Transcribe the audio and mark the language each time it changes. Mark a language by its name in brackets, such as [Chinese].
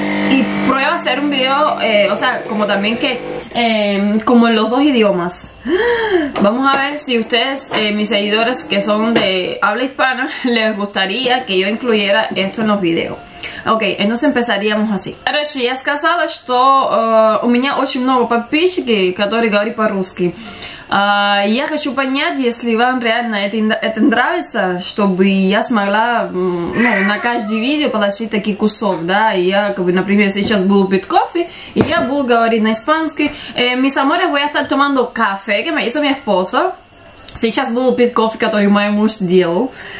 [Spanish] Y pruebo a hacer un video, o sea, como también que... como en los dos idiomas. Vamos a ver si ustedes, mis seguidores que son de habla hispana, les gustaría que yo incluyera esto en los videos. Ok, entonces empezaríamos así. [Russian] Россия сказала, что у меня очень много подписчиков, которые говорят по-русски. Я хочу понять, если вам реально это нравится, чтобы я смогла на каждое видео положить такой кусок, да, я, как бы, например, сейчас буду пить кофе, и я буду говорить на испанский. [Spanish] Mis amores, voy a estar tomando café, que me hizo mi esposo. [Russian] Сейчас буду пить кофе, который мой муж сделал.